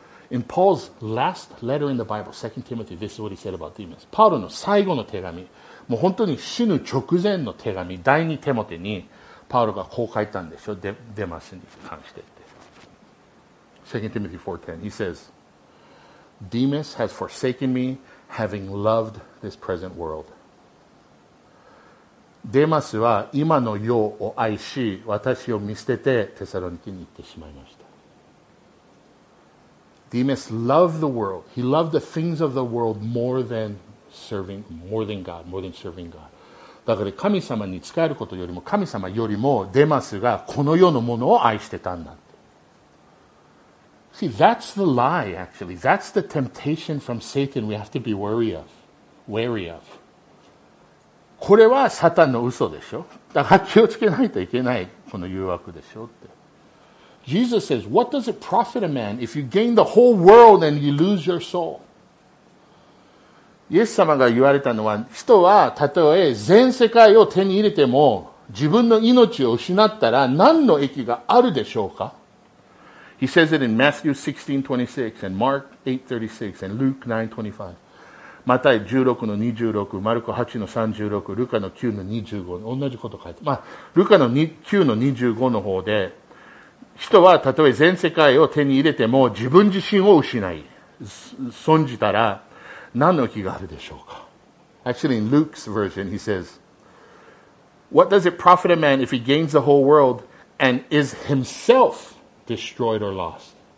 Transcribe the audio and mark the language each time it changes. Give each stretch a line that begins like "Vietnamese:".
English: In Paul's last letter in the Bible, 2 Timothy, this is what he said about Demas.
Japanese: パウロの最後の手紙、もう本当に死ぬ直前の手紙、第二テモテにパウロがこう書いたんでしょ、デマスに関してって。
English: 2 Timothy 4:10, he says, Demas has forsaken me, having loved this present world.
Japanese: デマスは今の世を愛し、私を見捨ててテサロニケに行ってしまいました。
English: Demas loved the world. He loved the things of the world more than serving, more than God, more than serving God.
Japanese: だから神様に仕えることよりも、神様よりもデマスがこの世のものを愛してたんだって。
English: See, that's the lie, actually. That's the temptation from Satan we have to be wary of. Wary of.
Japanese: これはサタンの嘘でしょ。だから気をつけないといけない、この誘惑でしょって。
English: Jesus says, what does it profit a man if you gain the whole world and you lose your soul?
Japanese: イエス様が言われたのは、人はたとえ全世界を手に入れても自分の命を失ったら何の益があるでしょうか？
English: He says it in Matthew 16:26 and Mark 8:36 and Luke 9:25.
Japanese: マタイ 16:26、マルコ 8:36、ルカの 9:25。同じこと書いて、まあ、ルカの 9:25 の方で、人はたとえ全世界を手に入れても自分自身を失い、損じたら何の気があるでしょうか。
English: Actually, in Luke's version, he says, What does it profit a man if he gains the whole world and is himself destroyed or lost?